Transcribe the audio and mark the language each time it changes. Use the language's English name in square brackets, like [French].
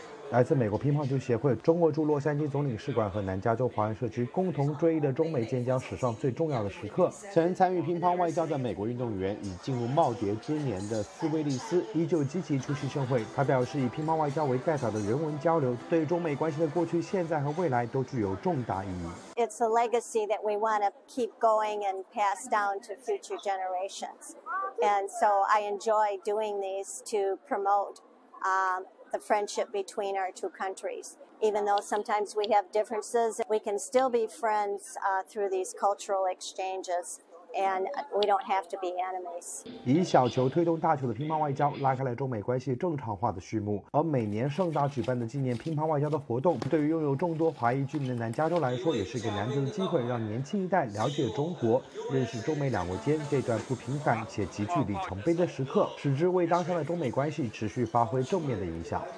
[Chinese] 来自美国乒乓球协会、中国驻洛杉矶总领事馆和南加州华人社区共同追忆的中美建交史上最重要的时刻。曾参与乒乓外交的美国运动员已进入耄耋之年的斯威利斯依旧积极出席盛会。他表示，以乒乓外交为代表的人文交流对中美关系的过去、现在和未来都具有重大意义。 [English] It's a legacy that we want to keep going and pass down to future generations. And so I enjoy doing these to promote the friendship between our two countries. Even though sometimes we have differences, we can still be friends through these cultural exchanges, and we don't have to be enemies. [Chinese] 以小球推动大球的乒乓外交拉开了中美关系正常化的序幕。而每年盛大举办的纪念乒乓外交的活动，对于拥有众多华裔居民的南加州来说，也是一个难得的机会，让年轻一代了解中国，认识中美两国间这段不平凡且极具里程碑的时刻，使之为当下的中美关系持续发挥正面的影响。